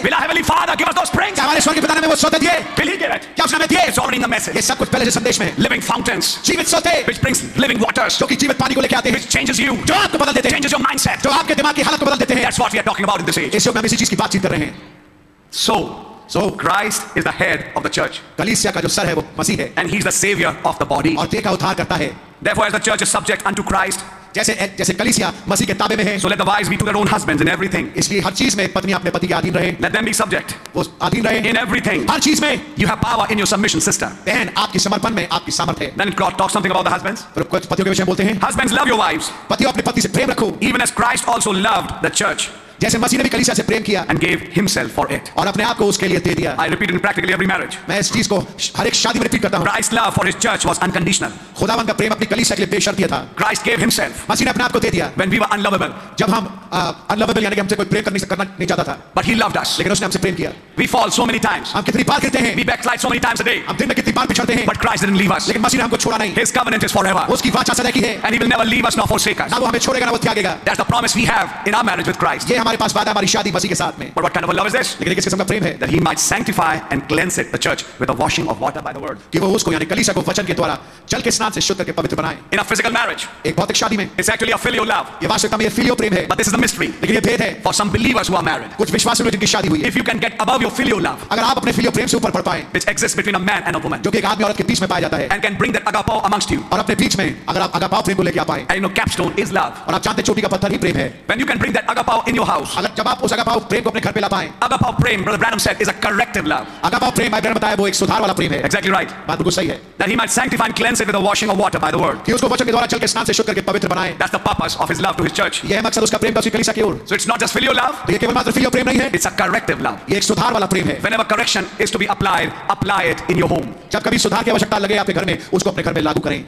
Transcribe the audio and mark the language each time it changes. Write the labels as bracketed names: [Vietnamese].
[English] will heavenly father give us the springs [Hindi] हमारे स्वर्ग के पिता ने वो सोते दिए [English] will he give it [Hindi] क्या उसने दिए [English] it's already in the message [Hindi] ये सब कुछ पहले से संदेश में [English] living fountains [Hindi] जीवित सोते [English] which brings living waters [Hindi] जो कि जीवित पानी को लेकर आते हैं [English] which changes you [Hindi] जो आपको बदल देते हैं [English] changes your mindset [Hindi] जो आपके दिमाग की हालत को बदल देते हैं [English] that's what we are talking about in this age [Hindi] इसी को मैं इसी चीज की बात कर रहे हैं [English] So So Christ is the head of the church. [Hindi] कलीसिया का जो सर है वो मसीह है. [English] And he is the savior of the body. [Hindi] और देह का उद्धार करता है. [English] Therefore as the church is subject unto Christ. [Hindi] जैसे कलीसिया मसीह के ताबे में है. [English] So let the wives be to their own husbands in everything. [Hindi] इसलिए हर चीज में पत्नी अपने पति के अधीन रहे. [English] Let them be subject. [Hindi] वो अधीन रहे. [English] In everything. [Hindi] हर चीज में. [English] You have power in your submission, sister. [Hindi] बहन आपकी समर्पण में आपकी सामर्थ्य है. [English] Then God talks something about the husbands. [Hindi] तो कुछ पतियों के विषय में बोलते हैं. [English] Husbands love your wives. [Hindi] पतियों अपने पति से प्रेम रखो. [English] Even as Christ also loved the church. [Hindi] जैसे मसीह ने भी कलीसिया से प्रेम किया [English] and gave himself for it. [Hindi] और अपने आप को उसके लिए दे दिया. [English] I repeat in practically every marriage. [Hindi] मैं इस चीज को हर एक शादी में रिपीट करता हूं. [English] Christ's love for his church was unconditional. [Hindi] खुदावन का प्रेम अपनी कलीसिया के लिए बेशर्त था. [English] Christ gave himself. [Hindi] मसीह ने अपने आप को दे दिया. [English] When we were unlovable. [Hindi] जब हम unlovable यानी कि हमसे कोई प्रेम करना नहीं चाहता था. [English] But he loved us. [Hindi] लेकिन उसने हमसे प्रेम किया. [English] We fall so many times. [Hindi] हम कितनी बार गिरते हैं. [English] We backslide so many times a day. [Hindi] हम दिन में कितनी बार पिछड़ते हैं. [English] But Christ didn't leave us. [Hindi] लेकिन मसीह ने हमको छोड़ा नहीं. [English] His covenant is forever. [Hindi] उसकी वाचा सदा की है. [English] And he will never leave us nor forsake us. [Hindi] ना वो हमें छोड़ेगा ना वो त्यागेगा. [English] That's the promise we have in our marriage with Christ. [Hindi] हमारे पास वादा हमारी शादी मसीह के साथ में. [English] But what kind of a love is this? [Hindi] लेकिन किस किस्म का प्रेम है? [English] That he might sanctify and cleanse it, the church, with the washing of water by the word. [Hindi] कि वो उसको यानी कलीसिया को वचन के द्वारा जल के स्नान से शुद्ध करके पवित्र बनाए. [English] In a physical marriage. [Hindi] एक भौतिक शादी में. [English] It's actually a filial love. [Hindi] ये वास्तव में ये फिलियो प्रेम है. [English] But this is a mystery. [Hindi] लेकिन ये भेद है. [English] For some believers who are married. [Hindi] कुछ विश्वासियों में जिनकी शादी हुई है. [English] If you can get above your filial love. [Hindi] अगर आप अपने फिलियो प्रेम से ऊपर पढ़ पाए. [English] Which exists between a man and a woman. [Hindi] जो कि एक आदमी औरत के बीच में पाया जाता है. [English] And can bring that agape amongst you. [Hindi] और अपने बीच में अगर आप agape प्रेम को लेकर आ पाए. [English] And you know capstone is love. [Hindi] और आप जानते चोटी का पत्थर ही प्रेम है. [English] When you can bring that agape in your house. [Hindi] अगर जब आप उस अगापाव प्रेम को अपने घर पे ला पाएं, [English] अगापाव प्रेम, brother Branham said, is a corrective love. [Hindi] अगापाव प्रेम, भाई ब्रैनम बताया, वो एक सुधार वाला प्रेम है. [English] Exactly right. [Hindi] बात बिल्कुल सही है. [English] That he might sanctify and cleanse it with the washing of water by the word. [Hindi] कि उसको वचन के द्वारा चल के स्नान से शुद्ध करके पवित्र बनाए. [English] That's the purpose of his love to his church. [Hindi] यह मकसद उसका प्रेम उसकी कलीसिया की ओर. [English] So it's not just filial love. [Hindi] तो ये केवल मात्र फिलियो प्रेम नहीं है. [English] It's a corrective love. [Hindi] ये एक सुधार वाला प्रेम है. [English] Whenever correction is to be applied, apply it in your home. [Hindi] जब कभी सुधार की आवश्यकता लगे आपके घर में, उसको अपने घर में लागू करें.